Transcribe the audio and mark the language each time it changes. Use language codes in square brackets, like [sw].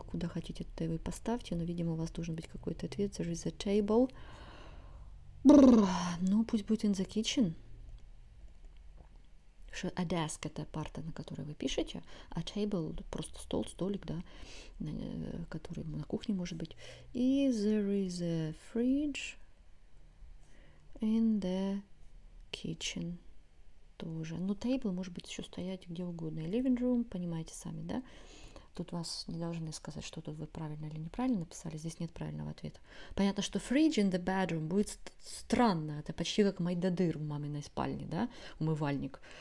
[ru] Куда хотите, то вы поставьте, но, видимо, у вас должен быть какой-то ответ. [en] There is a table. [ru] Ну, пусть будет [en] in the kitchen. [ru] A desk – это парта, на которой вы пишете, а table – просто стол, столик, да, который на кухне может быть. [en] И there is a fridge in the kitchen тоже. [ru] Но table может быть еще стоять где угодно. Living room, понимаете сами, да? Тут вас не должны сказать, что тут вы правильно или неправильно написали. Здесь нет правильного ответа. Понятно, что [en] fridge in the bedroom [ru] будет странно. Это почти как майдадыр в маминой спальне, да, умывальник.